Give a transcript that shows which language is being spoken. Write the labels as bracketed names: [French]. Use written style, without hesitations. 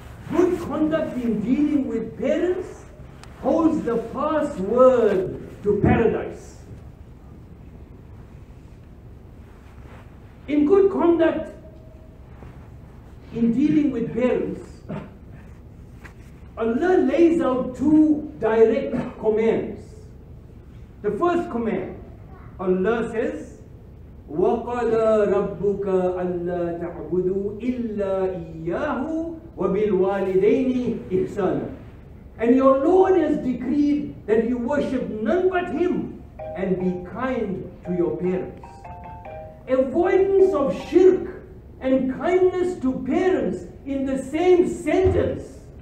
[English] Good conduct in dealing with parents holds the password to paradise. In good conduct, in dealing with parents, Allah lays out two direct commands. The first command, Allah says, [Arabic] وَقَدَ رَبُّكَ أَلَّا تَعْبُدُوا إِلَّا إِيَّاهُ وَبِالْوَالِدَيْنِ إِحْسَانًا. [English] And your Lord has decreed that you worship none but Him and be kind to your parents. Avoidance of shirk and kindness to parents in the same sentence.